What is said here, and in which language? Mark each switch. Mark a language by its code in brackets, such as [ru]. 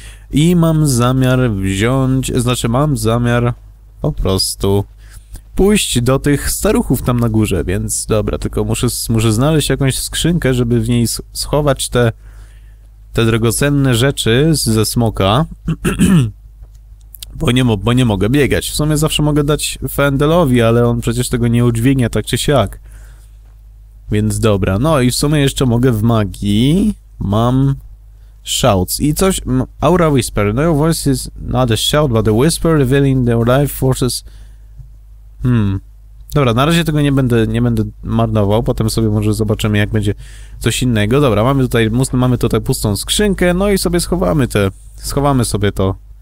[pl] I mam zamiar wziąć, znaczy mam zamiar po prostu pójść do tych staruchów tam na górze, więc dobra, tylko muszę znaleźć jakąś skrzynkę, żeby w niej schować te drogocenne rzeczy ze smoka, bo nie mogę biegać. W sumie zawsze mogę dać Fendelowi, ale on przecież tego nie udźwignie tak czy siak. Więc dobra, no i w sumie jeszcze mogę w magii. Mam shouts i coś... Aura Whisper. [en] No your voice is not a shout, but a whisper revealing the life forces. [pl] Dobra, na razie tego nie będę marnował, potem sobie może zobaczymy, jak będzie coś innego. Dobra, mamy tutaj pustą skrzynkę, no i sobie schowamy sobie to.